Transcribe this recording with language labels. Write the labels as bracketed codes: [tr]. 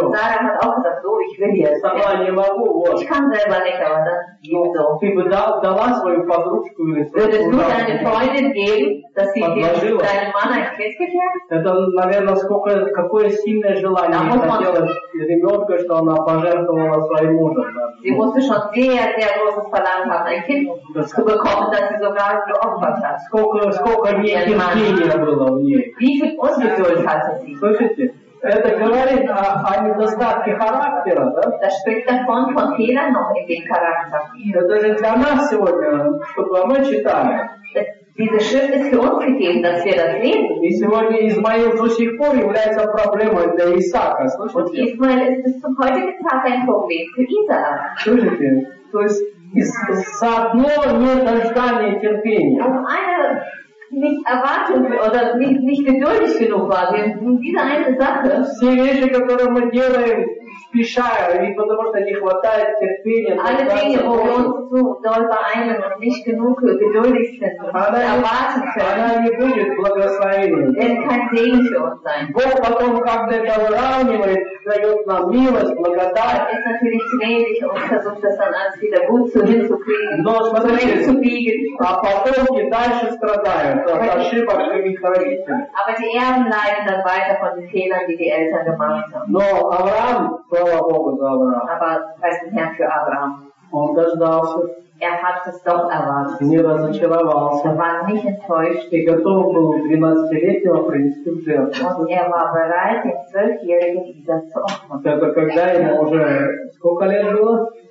[ru] Сама не могу, вот. Ты бы дала свою подружку или подложила. Это, наверное, сколько, какое сильное желание хотела ребенка, что она пожертвовала своим мужем. [de] Sie musste schon sehr, sehr großes Verlangen haben, ein Kind zu bekommen, das sie sogar geopfert hat. [ru] Сколько мне терпения было в ней. [de] Wie viel Ungeduld hatte sie? [ru] Слышите? Это говорит о недостатке характера, да? [de] Das spricht davon, von Fehlern noch in dem Charakter. [ru] Это же для нас сегодня, чтобы мы читали. [de] Diese Schrift ist für uns gegeben, dass wir das lesen. [ru] И сегодня Исмаил до сих пор является проблемой для Исаака, слышите? [de] Und Ismael ist bis zum heutigen Tag ein Problem für Isaac. [ru] Слышите? То есть заодно нет ожидания и терпения. [de] Auf eine nicht Erwartung oder nicht geduldig genug war, diese eine Sache. [ru] Все вещи, которые мы делаем, спеша, и потому что не хватает терпения. [de] Alle Dinge, wo wir uns zu doll beeilen und nicht genug geduldig sind, erwarten können. [ru] Она не будет благословением. Это [de] kein Segen für uns sein. [ru] Бог потом, когда это выравнивает, дает нам милость, благодать. [de] Es ist natürlich gnädig und versucht das dann alles wieder gut zu hinzukriegen. [ru] А потомки дальше страдают от ошибок своих родителей. [de] Aber die Erben leiden dann weiter von den Fehlern, die die Eltern gemacht haben. [ru] Но Авраам, слава Богу за Авраам. [de] Aber preis den Herrn für Abraham. [ru] Он дождался. [de] Er hat es doch erwartet. [ru] Не разочаровался. [de] Er war nicht enttäuscht. [ru] И готов был 12-летнего принести в жертву. [de] Er war bereit, den 12-jährigen Isaac zu opfern. [ru] Это когда ему уже сколько лет было?